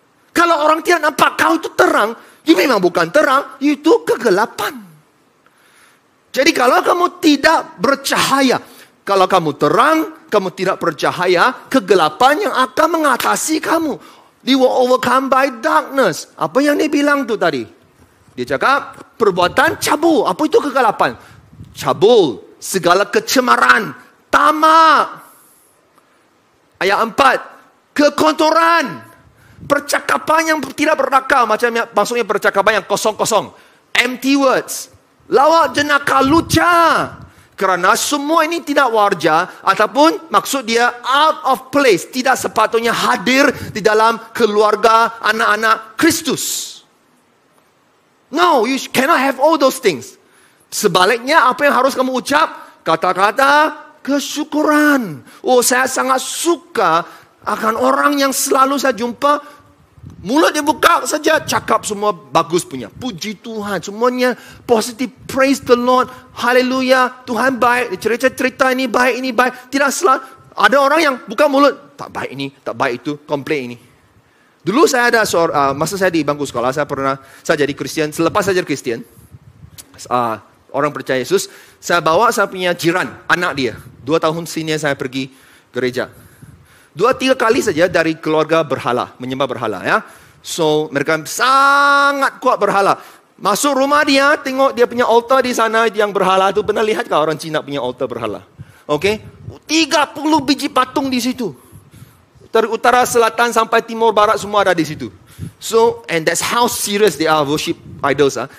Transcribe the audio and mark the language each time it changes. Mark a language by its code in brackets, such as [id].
[ms] Kalau orang tidak nampak kau tu terang, you memang bukan terang, you itu kegelapan. Jadi kalau kamu tidak bercahaya, kalau kamu terang, kamu tidak bercahaya, kegelapan yang akan mengatasi kamu. [en] You will overcome by darkness. [ms] Apa yang dia bilang tu tadi? Dia cakap, perbuatan cabul. Apa itu kegelapan? Cabul, segala kecemaran, tamak. Ayat 4, kekotoran. Percakapan yang tidak berakal, macam maksudnya percakapan yang kosong-kosong. [en] Empty words. [ms] Lawak jenaka lucu. Kerana semua ini tidak warja ataupun maksud dia [en] out of place. [ms] Tidak sepatutnya hadir di dalam keluarga anak-anak Kristus. [en] No, you cannot have all those things. [ms] Sebaliknya, apa yang harus kamu ucap? Kata-kata kesyukuran. Oh, saya sangat suka akan orang yang selalu saya jumpa. Mulut dia buka saja, cakap semua bagus punya. Puji Tuhan, semuanya positive. [en] Praise the Lord, hallelujah. [ms] Tuhan baik, cerita-cerita ini baik, tidak selalu. Ada orang yang buka mulut, tak baik ini, tak baik itu, komplain ini. Dulu saya ada, masa saya di bangku sekolah, saya jadi Kristian. Selepas saya jadi Kristian, orang percaya Yesus, saya bawa saya punya jiran, anak dia. 2 tahun senior saya pergi gereja. 2-3 kali saja dari keluarga berhala, menyembah berhala ya. So mereka sangat kuat berhala. Masuk rumah dia, tengok dia punya altar di sana yang berhala itu. Pernah lihat kah orang Cina punya altar berhala? Okay. 30 biji patung di situ. Dari utara, selatan sampai timur, barat, semua ada di situ. [en] So, and that's how serious they are worship idols.